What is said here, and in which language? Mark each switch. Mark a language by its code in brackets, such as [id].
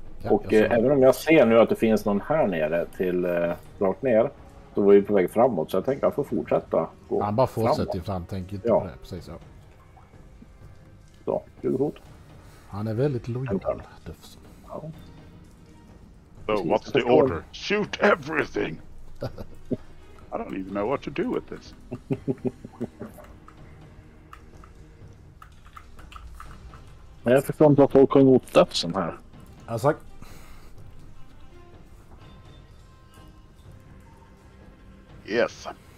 [sv] Och även om jag ser nu att det finns någon här nere till rakt ner, så var vi på väg framåt, så jag tänker att jag får fortsätta gå framåt. Han bara fortsätter framåt. Fram, tänker inte ja. På det, precis. Ja, så, gudrot. Han är väldigt lojal, Duff. [en] So, what's the order? Shoot everything! I don't even know what to do with this. [sv] Men jag förstår inte att folk har gjort Duff som här. Alltså. [en] Yes.